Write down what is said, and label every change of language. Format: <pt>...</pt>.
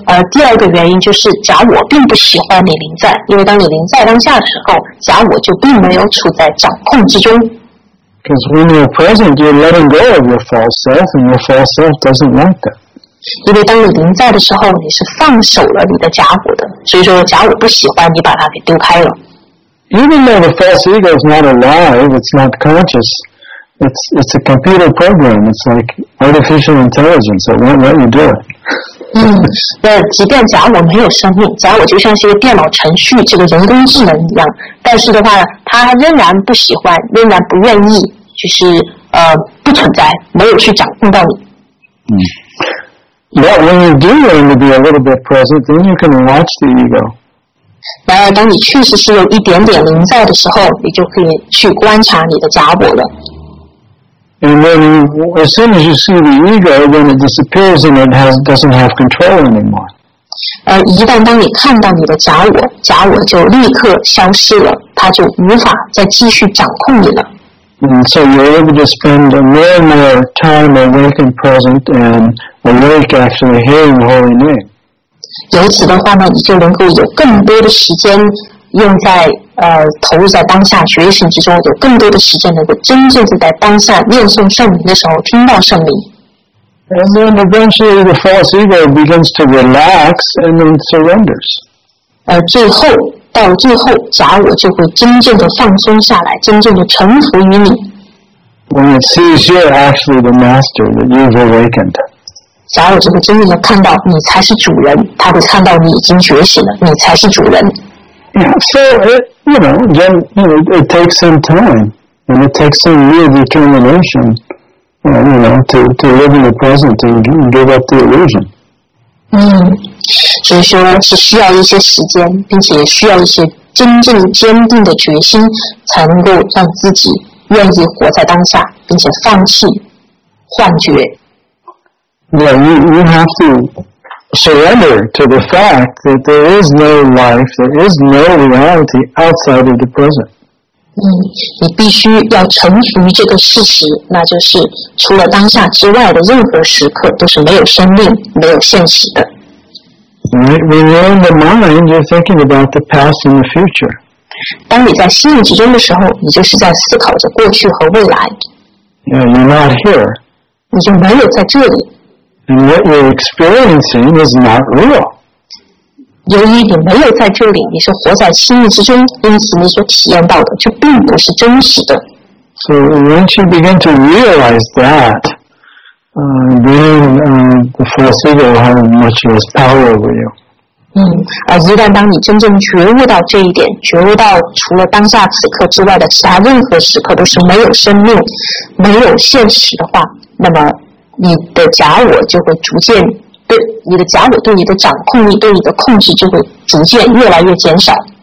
<zh>第二个原因就是，假我并不喜欢你临在，因为当你临在当下的时候，假我就并没有处在掌控之中。</zh> <en>Because when you're present, you're letting go of your false self, and your false self doesn't want that.</en> <zh>因为当你临在的时候，你是放手了你的假我的，所以说假我不喜欢你把它给丢开了。</zh> <en>Even though the false ego is not alive, it's not conscious, it's a computer program, it's like artificial intelligence that won't let you do it.</en> <zh>即便假我没有生命，假我就像是一个电脑程序，这个人工智能一样，但是的话，它仍然不喜欢，仍然不愿意，就是不存在，没有去掌控到你。</zh> <en>But when you do learn to be a little bit present, then you can watch the ego.</en> <zh>然而当你确实是有一点点临在的时候，你就可以去观察你的假我了。</zh> <en>And then as soon as you see the ego, then it disappears and it doesn't have control anymore.</en> <zh>一旦当你看到你的假我，假我就立刻消失了，它就无法再继续掌控你了。</zh> <en>so you're able to spend more and more time awake and present and awake actually hearing the Holy Name.</en> <zh>由此的话呢，你就能够有更多的时间用在投入在当下觉醒之中，有更多的时间能够真正在当下念诵圣名的时候听到圣名。</zh> <en>And then eventually the false ego begins to relax and then surrenders.</en> <zh>最后到最后，假我就会真正的放松下来，真正的臣服于你。</zh> <en>When it sees you're actually the master that you've awakened.</en> <zh>假我就会真正的看到你才是主人，他会看到你已经觉醒了，你才是主人。</zh> <en>So it takes some time and it takes some real determination. To live in the present and give up the illusion.</en> <zh>所以说是需要一些时间，并且需要一些真正坚定的决心，才能够让自己愿意活在当下，并且放弃幻觉。</zh> <en>Yeah, you have to surrender to the fact that there is no life, there is no reality outside of the present.</en> <zh>你必须要臣服于这个事实，那就是除了当下之外的任何时刻都是没有生命、没有现实的。</zh> <en>When you're in the mind, you're thinking about the past and the future.</en> <zh>当你在心之中的时候，你就是在思考着过去和未来。</zh> <en>You're not here.</en> <zh>你就没有在这里。</zh> <en>And what you're experiencing is not real.</en> <zh>由于你没有在这里，你是活在心意之中，因此你所体验到的就并不是真实的。</zh> <en>So once you begin to realize that, then the false ego will have much less power over you.</en> <zh>而一旦当你真正觉悟到这一点，觉悟到除了当下此刻之外的其他任何时刻都是没有生命、没有现实的话，那么你的假我就会逐渐。对你的假我对你的掌控力对你的控制就会逐渐越来越减少</zh>